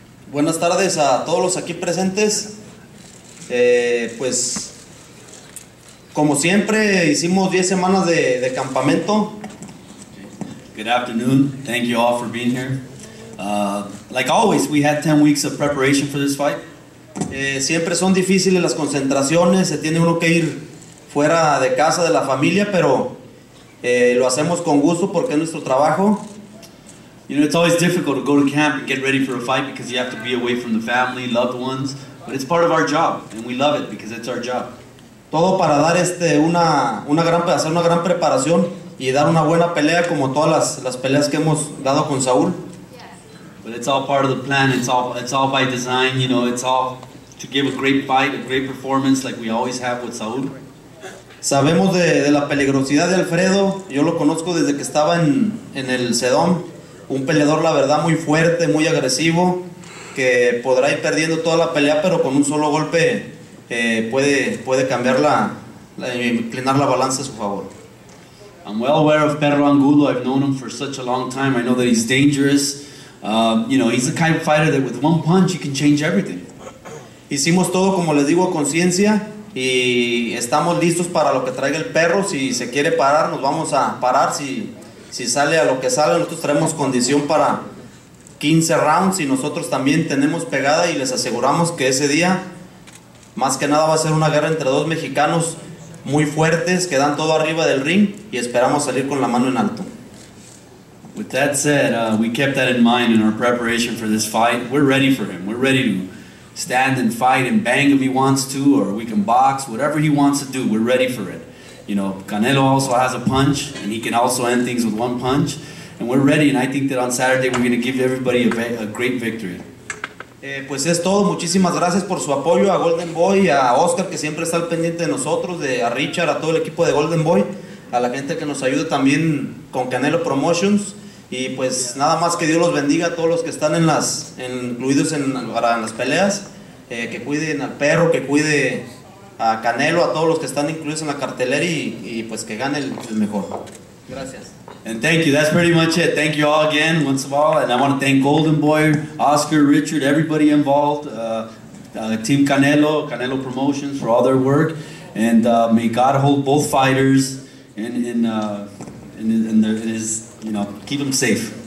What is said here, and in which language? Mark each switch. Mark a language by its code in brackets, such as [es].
[es] Buenas tardes a todos los aquí presentes. Pues, como siempre, hicimos 10 semanas de campamento. [en] Good afternoon. Thank you all for being here. Like always, we had 10 weeks of preparation for this fight. [es] Siempre son difíciles las concentraciones. Se tiene uno que ir fuera de casa, de la familia, pero lo hacemos con gusto porque es nuestro trabajo. [en] You know, it's always difficult to go to camp and get ready for a fight because you have to be away from the family, loved ones. But it's part of our job, and we love it because it's our job. [es] Todo para dar hacer una gran preparación y dar una buena pelea como todas las peleas que hemos dado con Saul. [en] But it's all part of the plan. It's all by design. You know, it's all to give a great fight, a great performance, like we always have with Saul. [es] Sabemos de la peligrosidad de Alfredo. Yo lo conozco desde que estaba en el Sedón. Un peleador, la verdad, muy fuerte, muy agresivo, que podrá ir perdiendo toda la pelea, pero con un solo golpe puede cambiar inclinar la balanza a su favor. [en] I'm well aware of Perro Angulo. I've known him for such a long time. I know that he's dangerous. You know, he's the kind of fighter that with one punch you can change everything. [es] Hicimos todo, como les digo, a conciencia, y estamos listos para lo que traiga el perro. Si se quiere parar, nos vamos a parar. Si sale a lo que sale, nosotros traemos condición para 15 rounds y nosotros también tenemos pegada y les aseguramos que ese día, más que nada, va a ser una guerra entre dos mexicanos muy fuertes que dan todo arriba del ring y esperamos salir con la mano en alto. [en] With that said, we kept that in mind in our preparation for this fight. We're ready for him. We're ready to stand and fight and bang if he wants to, or we can box, whatever he wants to do, we're ready for it. You know, Canelo also has a punch, and he can also end things with one punch. And we're ready, and I think that on Saturday we're going to give everybody a great victory. [es] Pues es todo. Muchísimas gracias por su apoyo a Golden Boy, a Oscar, que siempre está al pendiente de nosotros, a Richard, a todo el equipo de Golden Boy, a la gente que nos ayuda también con Canelo Promotions. Y pues nada más que Dios los bendiga a todos los que están incluidos en las peleas. Que cuiden al perro, que cuide a Canelo, a todos los que están incluidos en la cartelera y pues que gane el mejor. Gracias. [en] And thank you. That's pretty much it. Thank you all again, once of all. And I want to thank Golden Boy, Oscar, Richard, everybody involved, Team Canelo, Canelo Promotions for all their work. And may God hold both fighters and you know, keep them safe.